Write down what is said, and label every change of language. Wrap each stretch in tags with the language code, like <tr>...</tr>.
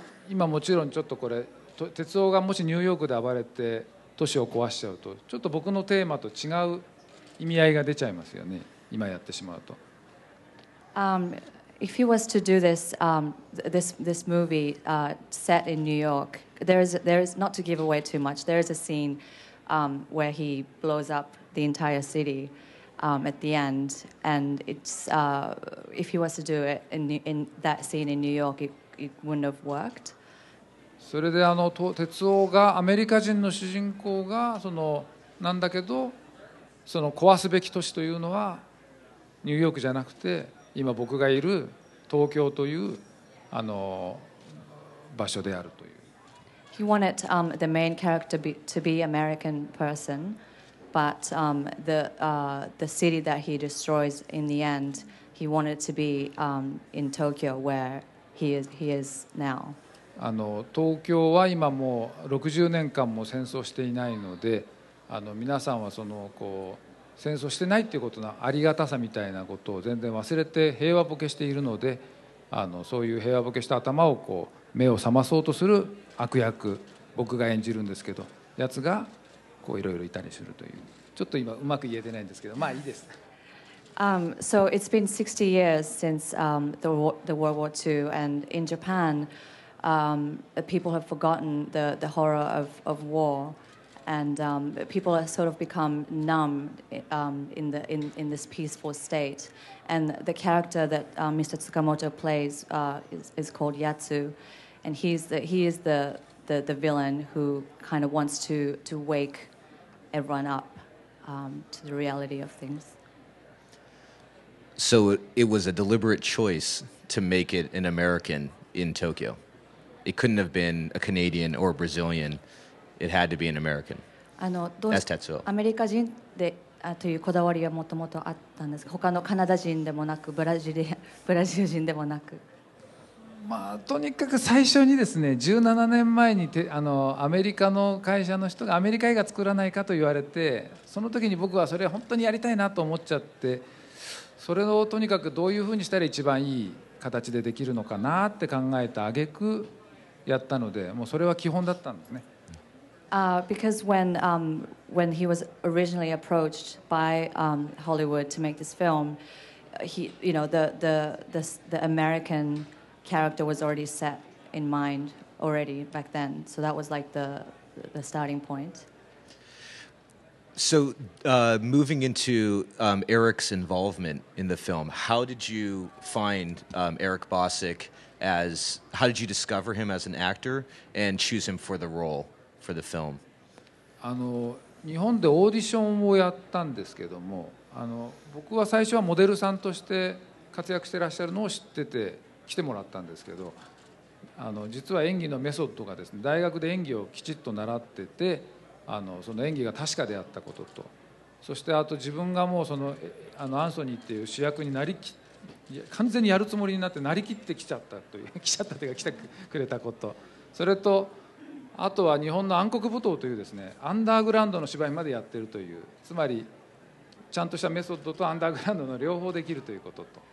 <ja>今もちろんちょっとこれ鉄道がもしニューヨークで暴れて都市を壊しちゃうとちょっと僕のテーマと違う意味合いが出ちゃいますよね今やってしまうと、</ja> <en>If he was to do this,、this movie、set in New York, there is not to give away too much, there is a scene、where he blows up the entire city、at the end, and it's、if he was to do it in that scene in New York, it wouldn't have worked.</en> <ja>それであの鉄道がアメリカ人の主人公がそのなんだけどその壊すべき都市というのはニューヨークじゃなくて今僕がいる東京というあの場所であるという。</ja> <en>He wanted、the main character to be American person, but、the city that he destroys in the end, he wanted to be、in Tokyo where he is now.</en> <ja>あの東京は今もう60年間も戦争していないので、あの皆さんはそのこう。戦争してないっていうことのありがたさみたいなことを全然忘れて平和ボケしているのであのそういう平和ボケした頭をこう目を覚まそうとする悪役僕が演じるんですけどやつがこういろいろいたりするというちょっと今うまく言えてないんですけどまあいいです、</ja> <en>So it's been 60 years since、the World War II and in Japan、people have forgotten the horror of warAnd、people have sort of become numb、in this peaceful state. And the character that、Mr. Tsukamoto plays、is called Yatsu. And he is the villain who kind of wants to wake everyone up、to the reality of things. So it was a deliberate choice to make it an American in Tokyo. It couldn't have been a Canadian or a Brazilian. It had to be an American.</en> <ja>あのどうし、</ja> <en>As Tetsuo.</en> <ja>アメリカ人でというこだわりはもともとあったんですが他のカナダ人でもなくブラジル人でもなく、まあ、とにかく最初にですね17年前にあのアメリカの会社の人がアメリカ映画作らないかと言われてその時に僕はそれ本当にやりたいなと思っちゃってそれをとにかくどういうふうにしたら一番いい形でできるのかなって考えた挙句やったのでもうそれは基本だったんですね</ja> <en>Because when he was originally approached by、Hollywood to make this film, he, you know, the American character was already set in mind already back then. So that was like the starting point. So、moving into、Eric's involvement in the film, how did you find、Eric Bosick as, how did you discover him as an actor and choose him for the role? For the film.</en> <ja>あの日本でオーディションをやったんですけどもあの僕は最初はモデルさんとして活躍してらっしゃるのを知ってて来てもらったんですけどあの実は演技のメソッドがですね大学で演技をきちっと習っててあのその演技が確かであったこととそしてあと自分がもうそのあのアンソニーっていう主役になりき完全にやるつもりになってなりきってきちゃったという来ちゃったというか来てくれたことそれとあとは日本の暗黒舞踏というですねアンダーグラウンドの芝居までやってるというつまりちゃんとしたメソッドとアンダーグラウンドの両方できるということと</ja>